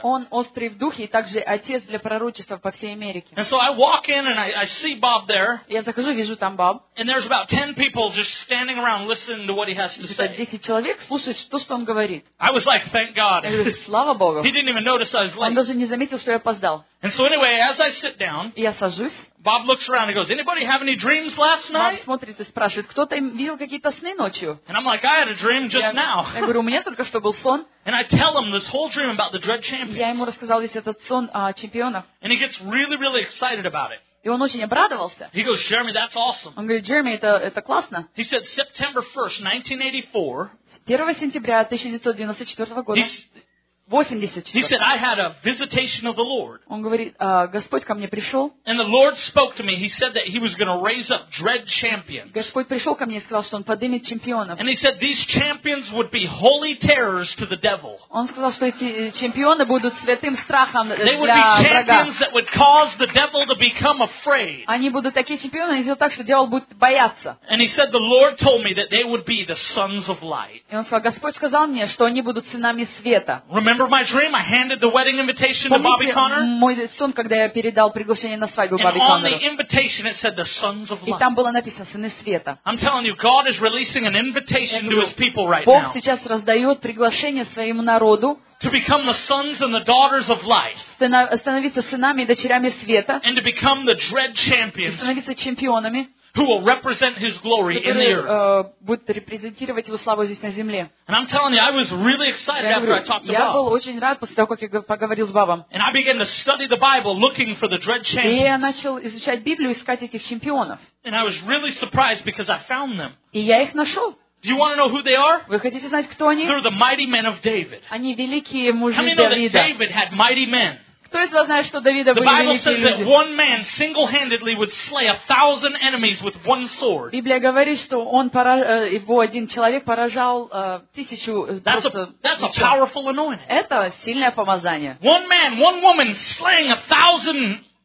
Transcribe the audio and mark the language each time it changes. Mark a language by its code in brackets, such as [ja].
[ru] Он острый в духе и также отец для пророчества по всей Америке. [en] And so I walk in and I see Bob there. [ru] Я захожу, вижу там Боб. [en] And there's about 10 people just standing around listening to what he has to say. [ru] 10 человек слушают, что он говорит. [en] I was like, "Thank God." [ru] Я говорю, слава Богу. [en] He didn't even notice I was late. [ru] Он даже не заметил, что я опоздал. [en] And so anyway, as I sit down, [ru] я сажусь. [en] Bob looks around and goes, "Anybody have any dreams last night?" [ru] Bob смотрит и спрашивает, кто-то видел какие-то сны ночью? [en] And I'm like, "I had a dream just now." [ru] Я говорю, у меня только что был сон. [en] And I tell him this whole dream about the Dread Champions. [ru] Я ему рассказал весь этот сон о чемпионах. [en] And he gets really, really excited about it. [ru] И он очень обрадовался. [en] He goes, "Jeremy, that's awesome." [ru] Он говорит, Джереми, это классно. [en] He said, September 1st, 1984. [ru] 1 сентября 1994 года. [en] He said, "I had a visitation of the Lord." [ru] Он говорит, Господь ко мне пришел. [en] And the Lord spoke to me. He said that He was going to raise up dread champions. [ru] Господь пришел ко мне и сказал, что он поднимет чемпионов. [en] And He said these champions would be holy terrors to the devil. [ru] Он сказал, что эти чемпионы будут святым страхом для врага. [en] They would be champions that would cause the devil to become afraid. [ru] Они будут такие чемпионы, они сделают так, что дьявол будет бояться. [en] And He said the Lord told me that they would be the sons of light. [ru] И он сказал, Господь сказал мне, что они будут сынами света. [en] remember my dream? I handed the wedding invitation to Bobby Connor. [ru] Мой сон, когда я передал приглашение на свадьбу Бобби Коннору. [en] And on the invitation it said the sons of light. [ru] И там было написано сыны света. [en] I'm telling you, God is releasing an invitation to His people right now. [ru] Бог сейчас раздает приглашение своему народу. [en] To become the sons and the daughters of light. [ru] Становиться сынами и дочерями света. [en] And to become the dread champions. [ru] Становиться чемпионами. [en] Who will represent His glory in the earth? [ru] Будет репрезентировать Его славу здесь на земле. [en] And I'm telling you, I was really excited after I talked to Bob. [ru] Я был очень рад после того, как я поговорил с Бобом. [en] And I began to study the Bible, looking for the dread champions. [ru] И я начал изучать Библию, искать этих чемпионов. [en] And I was really surprised because I found them. [ru] И я их нашел. [en] Do you want to know who they are? [ru] Вы хотите знать, кто они? [en] They're the mighty men of David. [ru] Они великие мужи Давида. [en] How many know that David had mighty men? [ru] Кто из вас знает, что Давида были великие люди? [en] The Bible says that one man single-handedly would slay 1,000 enemies with one sword. [ru] Библия говорит, что он его один человек поражал 1,000 просто. [en] That's a powerful anointing. [ru] Это сильное помазание. [en] One man, one woman slaying 1,000.